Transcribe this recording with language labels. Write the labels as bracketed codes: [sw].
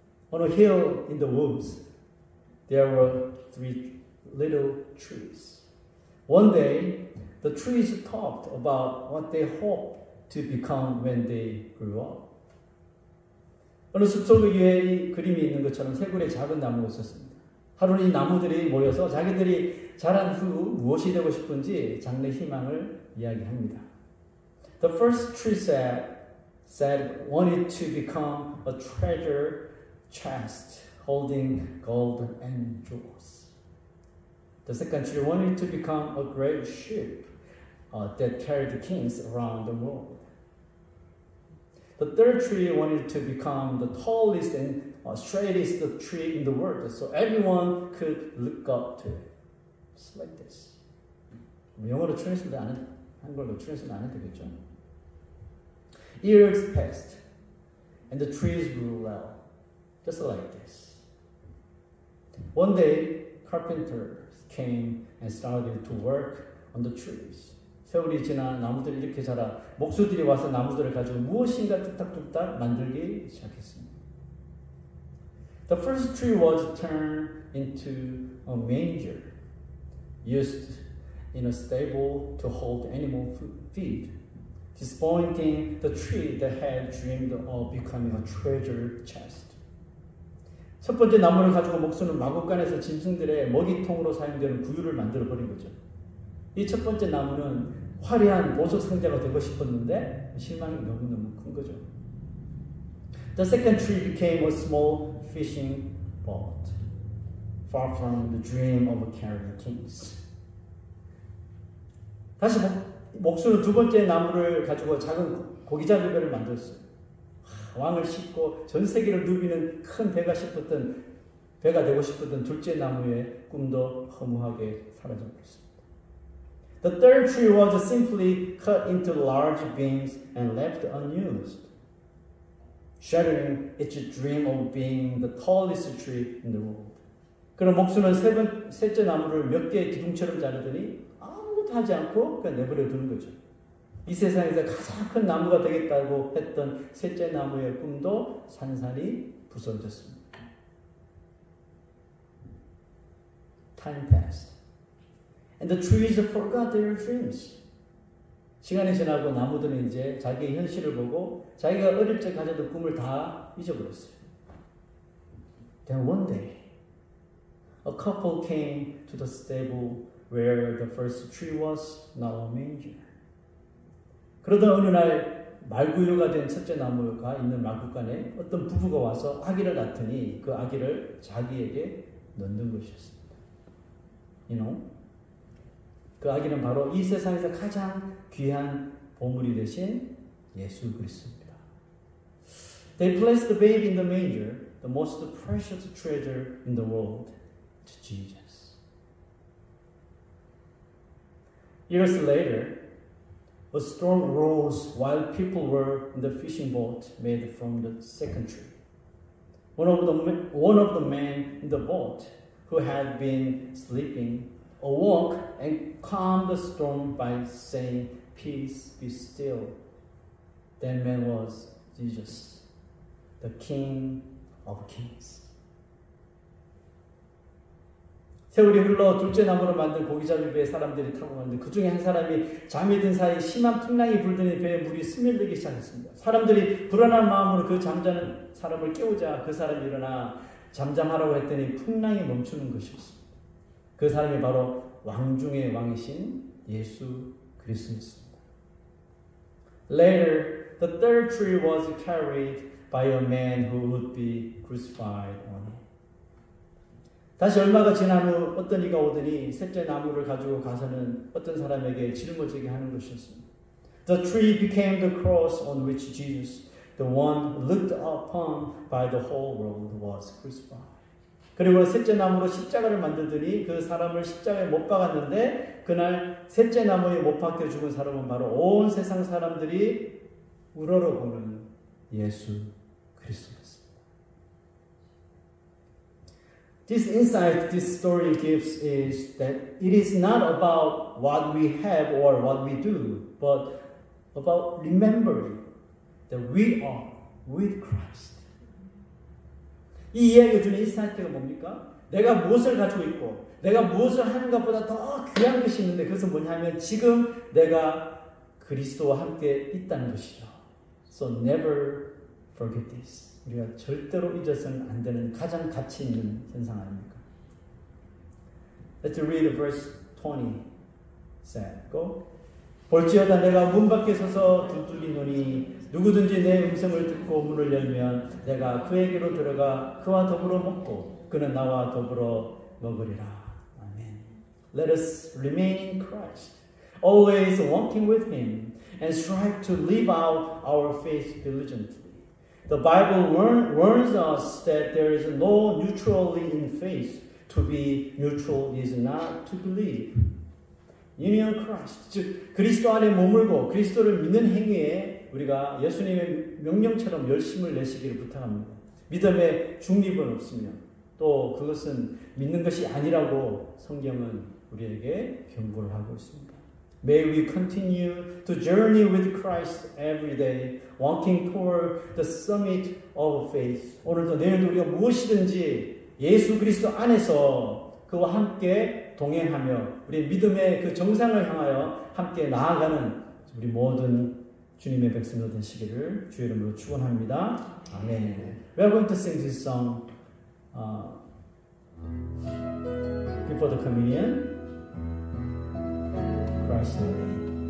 [en] on a hill in the woods, there were three little trees. One day, the trees talked about what they hoped to become when they grew up. [ko] 어느 숲속 위에 이 그림이 있는 것처럼 세 그루의 작은 나무가 있었습니다. 하루는 이 나무들이 모여서 자기들이 자란 후 무엇이 되고 싶은지 장래 희망을 이야기합니다. [en] The first tree said wanted to become a treasure chest holding gold and jewels. The second tree wanted to become a great ship that carried kings around the world. The third tree wanted to become the tallest and straightest tree in the world, so everyone could look up to it. Just like this. [ko] 영어로 translate 안 해도, 한글로 translate 안 해도 되겠죠? [en] Years passed, and the trees grew well, just like this. One day, carpenters came and started to work on the trees. [ko] 세월이 지나 나무들이 이렇게 자라 목수들이 와서 나무들을 가지고 무엇인가 뚝딱뚝딱 만들기 시작했습니다. [en] The first tree was turned into a manger, used in a stable to hold animal feed, disappointing the tree that had dreamed of becoming a treasure chest. [ko] 첫 번째 나무를 가지고 목수는 마구간에서 짐승들의 먹이통으로 사용되는 구유를 만들어 버린 거죠. 이 첫 번째 나무는 화려한 보석 상자가 되고 싶었는데 실망이 너무너무 큰 거죠. [en] The second tree became a small fishing boat, far from the dream of carrying kings. [ko] 다시 목수는 두 번째 나무를 가지고 작은 고기잡이배를 만들었어요. 왕을 싣고 전 세계를 누비는 큰 배가 싶었던 배가 되고 싶었던 둘째 나무의 꿈도 허무하게 사라져버렸습니다. [en] The third tree was simply cut into large beams and left unused, shattering its dream of being the tallest tree in the world. [ko] 그럼 목수는 셋째 나무를 몇 개의 기둥처럼 자르더니 아무것도 하지 않고 그냥 내버려 두는 거죠. 이 세상에서 가장 큰 나무가 되겠다고 했던 셋째 나무의 꿈도 산산이 부서졌습니다. [en] Time passed, and the trees forgot their dreams. [ko] 시간이 지나고 나무들은 이제 자기의 현실을 보고 자기가 어릴 때 가졌던 꿈을 다 잊어버렸어요. [en] Then one day, a couple came to the stable where the first tree was now a manger. [ko] 그러던 어느 날 말구유가 된 첫째 나무가 있는 마구간에 어떤 부부가 와서 아기를 낳더니 그 아기를 자기에게 넣는 것이었습니다. [en] You know? [ko] 그 아기는 바로 이 세상에서 가장 귀한 보물이 되신 예수 그리스도입니다. [en] They placed the baby in the manger, the most precious treasure in the world, to Jesus. Years later, a storm rose while people were in the fishing boat made from the second tree. One of the men in the boat who had been sleeping awoke and calmed the storm by saying, "Peace, be still." That man was Jesus, the King of Kings. [ko] 세월이 흘러 둘째 나무를 만든 고기잡이배에 사람들이 타고 갔는데 그 중에 한 사람이 잠이 든 사이 심한 풍랑이 불더니 배에 물이 스며들기 시작했습니다. 사람들이 불안한 마음으로 그 잠자는 사람을 깨우자 그 사람이 일어나 잠잠하라고 했더니 풍랑이 멈추는 것이었습니다. 그 사람이 바로 왕 중의 왕이신 예수 그리스도였습니다. [en] Later, the third tree was carried by a man who would be crucified on it. [ko] 다시 얼마가 지난 후 어떤 이가 오더니 셋째 나무를 가지고 가서는 어떤 사람에게 짊어지게 하는 것이었습니다. [en] The tree became the cross on which Jesus, the one looked upon by the whole world, was crucified. [ko] 그리고 셋째 나무로 십자가를 만들더니 그 사람을 십자가에 못 박았는데 그날 셋째 나무에 못 박혀 죽은 사람은 바로 온 세상 사람들이 우러러보는 예수 그리스도였습니다. [en] This insight this story gives is that it is not about what we have or what we do, but about remembering that we are with Christ. [ko] 이 이야기가 주는 인사이트가 뭡니까? 내가 무엇을 가지고 있고 내가 무엇을 하는 것보다 더 귀한 것이 있는데 그것은 뭐냐면 지금 내가 그리스도와 함께 있다는 것이죠. [en] So never forget this. [ko] 우리가 절대로 잊어서는 안 되는 가장 가치 있는 현상 아닙니까? [en] Let's read verse 20. Go. [ko] 볼지어다 내가 문 밖에 서서 두드리노니 누구든지 내 음성을 듣고 문을 열면 내가 그에게로 들어가 그와 더불어 먹고 그는 나와 더불어 먹으리라. 아멘. [en] Let us remain in Christ, always walking with Him, and strive to live out our faith diligently. The Bible warns us that there is no neutrality in faith. To be neutral is not to believe. Union Christ, [ko] 즉 그리스도 안에 머물고 그리스도를 믿는 행위에 우리가 예수님의 명령처럼 열심을 내시기를 부탁합니다. 믿음에 중립은 없으며 또 그것은 믿는 것이 아니라고 성경은 우리에게 경고를 하고 있습니다. [en] May we continue to journey with Christ every day, walking toward the summit of faith. [ko] 오늘도 내일도 우리가 무엇이든지 예수 그리스도 안에서 그와 함께 동행하며 우리 믿음의 그 정상을 향하여 함께 나아가는 우리 모든 주님의 백성으로 되시기를 주의 이름으로 축원합니다. 아멘. [en] We are going to sing this song before the communion. Christ's name.